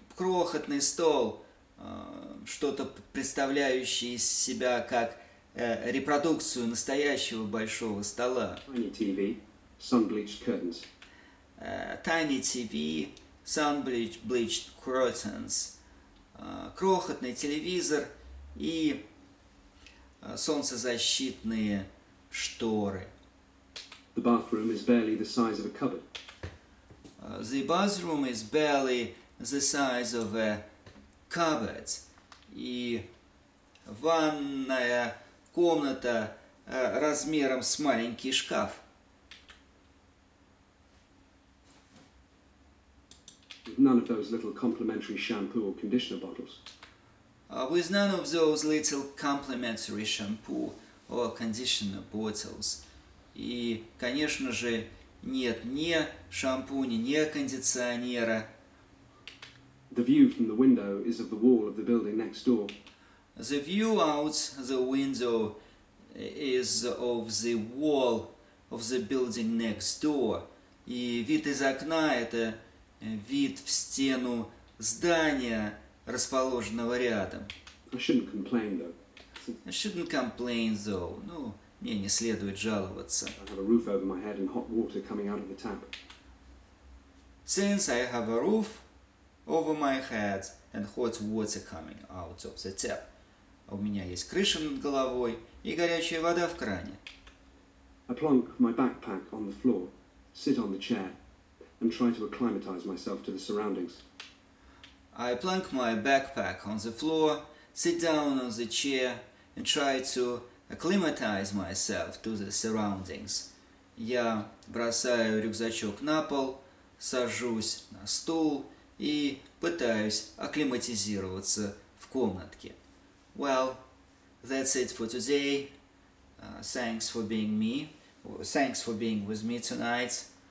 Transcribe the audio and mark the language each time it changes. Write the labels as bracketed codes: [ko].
[ru] Крохотный стол, что-то представляющее из себя как репродукцию настоящего большого стола. [en] Tiny TV, sun-bleached curtains. Tiny TV, sun-bleached curtains. [ru] Крохотный телевизор и солнцезащитные шторы. [en] The bathroom is barely the size of a cupboard. The bathroom is barely the size of a cupboard. [ru] И ванная комната размером с маленький шкаф. [en] With none of those little complimentary shampoo or conditioner bottles. With none of those little complimentary shampoo or conditioner bottles. [ru] И, конечно же, нет ни шампуня, ни кондиционера. [en] The view from the window is of the wall of the building next door. The view out the window is of the wall of the building next door. [ru] И вид из окна – это вид в стену здания, расположенного рядом. [en] I shouldn't complain, though. I shouldn't complain, though. [ru] Ну, мне не следует жаловаться. [en] I have a roof over my head and hot water coming out of the tap. Since I have a roof over my head and hot water coming out of the tap. [ru] У меня есть крыша над головой и горячая вода в кране. [en] I plonk my backpack on the floor, sit on the chair, and try to acclimatize myself to the surroundings. I plunk my backpack on the floor, sit down on the chair, and try to acclimatize myself to the surroundings. [ru] Я бросаю рюкзачок на пол, сажусь на стул и пытаюсь акклиматизироваться в комнатке. [en] Well, that's it for today. Thanks for being with me tonight.